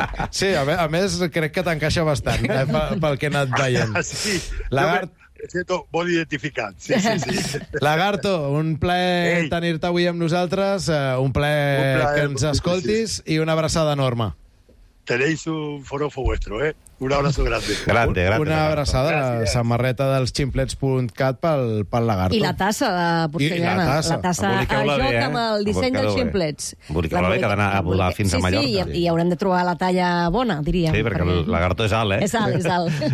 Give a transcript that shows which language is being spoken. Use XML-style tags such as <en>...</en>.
<ca>Sí, a més crec que t'encaixa bastant, pel que he anat veient. Sí, Lagarto.</ca> <es>Siento</es> <ca>molt identificat, sí. Lagarto, un plaer tenir-te avui amb nosaltres, un plaer, que ens escoltis, sí. I una abraçada enorme.</ca> <es>Tenéis un forofo vuestro, ¿eh? Un abrazo grande. Grande.</es> <ca>Una abraçada, gràcies. La samarreta dels ximplets.cat pel Lagarto. I la tassa de porcellana. La tassa. Amb el disseny dels ximplets. Emboliqueu-la bé, que ha d'anar a volar fins a Mallorca. Sí, i haurem de trobar la talla bona, diríem. Sí, perquè el Lagarto és alt, eh? És alt.</ca>